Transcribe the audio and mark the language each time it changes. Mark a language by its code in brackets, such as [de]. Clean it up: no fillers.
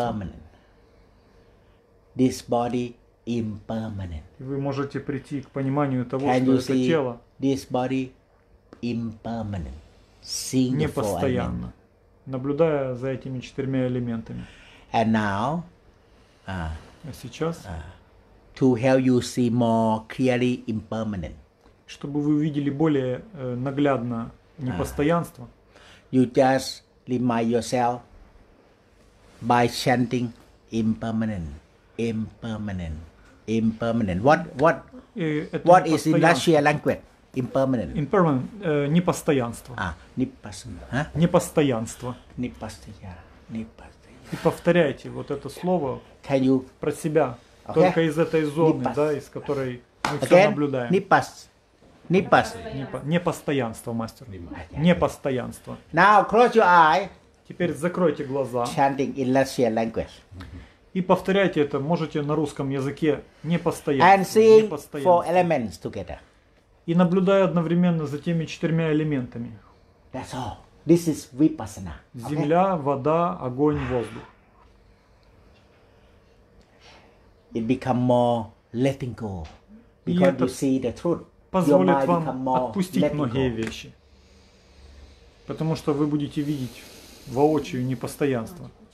[en] Impermanent. This body impermanent. [ru] И вы можете прийти к пониманию того, [en] can [ru] что это тело [en] this body impermanent. [ru] Непостоянно. Наблюдая за этими четырьмя элементами. [en] And now, [ru] а сейчас... [en] to help you see more clearly impermanent. [ru] Чтобы вы видели более наглядно непостоянство. [en] You just remind yourself by chanting impermanent, impermanent, impermanent. What is in Russian language? Impermanent. Impermanent. [ru] Непостоянство. А, непостоянство. А? Непостоянство. Непостоянство. Непостоянство. И повторяйте вот это слово [en] can you... [ru] про себя. Okay? Только из этой зоны, да, из которой мы [en] Again? [ru] Все наблюдаем. Непостоянство. Непостоянство, мастер. Okay. Непостоянство. [en] Now close your eye. [ru] Теперь закройте глаза. [en] Chanting in Russian language. [ru] И повторяйте это, можете на русском языке, непостоянство. [en] And sing four elements together. [ru] И наблюдая одновременно за теми четырьмя элементами. [en] That's all. This is vipassana. Okay? [ru] Земля, вода, огонь, воздух. [en] It become more letting go. Because you see the truth. [ru] Позволит вам отпустить многие вещи. Потому что вы будете видеть воочию непостоянство.